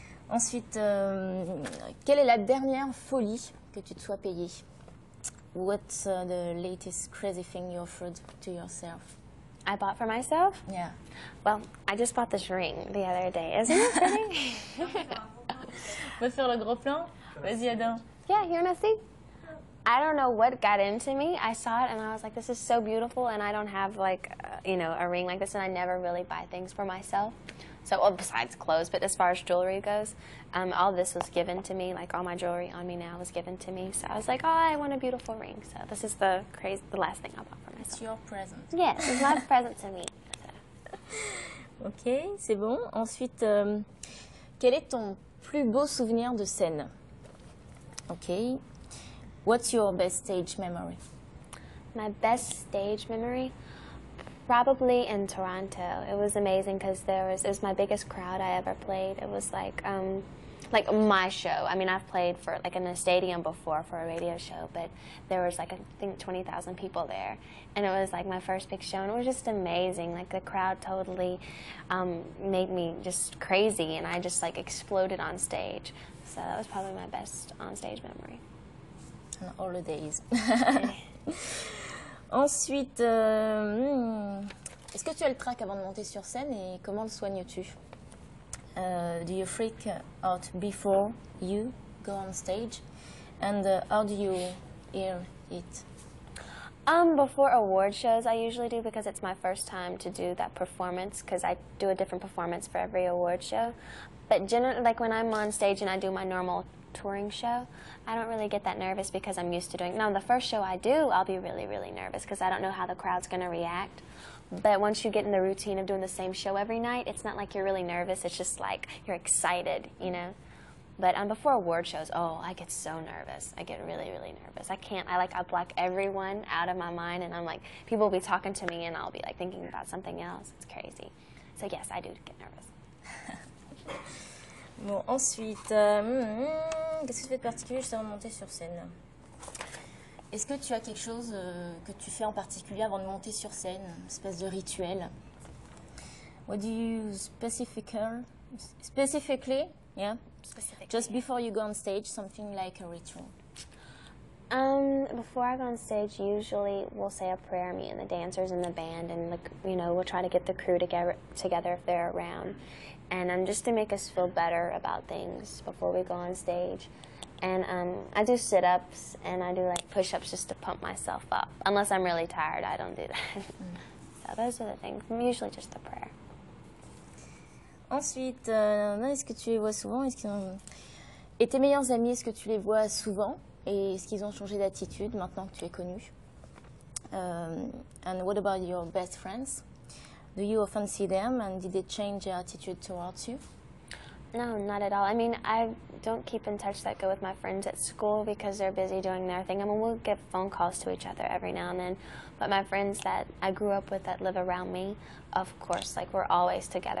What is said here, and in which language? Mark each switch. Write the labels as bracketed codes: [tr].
[fr] Ensuite, quelle est la dernière folie que tu te sois payée? [en] What's the latest crazy thing you offered to yourself? I bought for myself? Yeah. Well, I just bought this ring the other day. Isn't it pretty? [fr] Veux faire le gros plan? Vas-y, Adam. [en] Yeah, you wanna see? I don't know what got into me. I saw it and I was like, this is so beautiful and I don't have like, you know, a ring like this and I never really buy things for myself. So, well, besides clothes, but as far as jewelry goes, all this was given to me, like all my jewelry on me now was given to me. So I was like, oh, I want a beautiful ring. So this is the last thing I bought for myself. It's your present. Yes, it's my present to me. [fr] Ok, c'est bon. Ensuite, quel est ton plus beau souvenir de scène? [en] Ok. What's your best stage memory? My best stage memory? Probably in Toronto. It was amazing because it was my biggest crowd I ever played. It was like my show. I mean, I've played for like in a stadium before for a radio show, but there was like, I think 20,000 people there. And it was like my first big show and it was just amazing. Like the crowd totally made me just crazy and I just like exploded on stage. So that was probably my best on stage memory. In all the days. [fr] Ensuite, est-ce que tu as le trac avant de monter sur scène et comment le soignes-tu? [en] Do you freak out before you go on stage? And how do you hear it? Before award shows, I usually do, because it's my first time to do that performance, because I do a different performance for every award show. But generally, like when I'm on stage and I do my normal touring show, I don't really get that nervous because I'm used to doing it. Now, the first show I do, I'll be really, really nervous because I don't know how the crowd's going to react. But once you get in the routine of doing the same show every night, it's not like you're really nervous. It's just like you're excited, you know. But before award shows, oh, I get so nervous. I get really, really nervous. I can't. I block everyone out of my mind, and I'm like, people will be talking to me, and I'll be like thinking about something else. It's crazy. So yes, I do get nervous. [fr] Bon, ensuite, qu'est-ce que tu fais de particulier juste avant de monter sur scène? Est-ce que tu as quelque chose que tu fais en particulier avant de monter sur scène, une espèce de rituel? [en] What do you specifically? Yeah. Just before you go on stage, something like a ritual. Before I go on stage, usually we'll say a prayer, me and the dancers and the band, and you know, we'll try to get the crew together if they're around, and just to make us feel better about things before we go on stage. And I do sit-ups and I do like push-ups just to pump myself up. Unless I'm really tired, I don't do that. So those are the things. Usually just the prayer. [fr] Ensuite, est-ce que tu les vois souvent? Et tes meilleurs amis, est-ce que tu les vois souvent? Et est-ce qu'ils ont changé d'attitude maintenant que tu es connu? [en] And what about your best friends? Do you often see them and did they change their attitude towards you? No, not at all. I mean, I don't keep in touch that good with my friends at school because they're busy doing their thing. I mean, we'll get phone calls to each other every now and then. But my friends that I grew up with that live around me, of course, like, we're always together.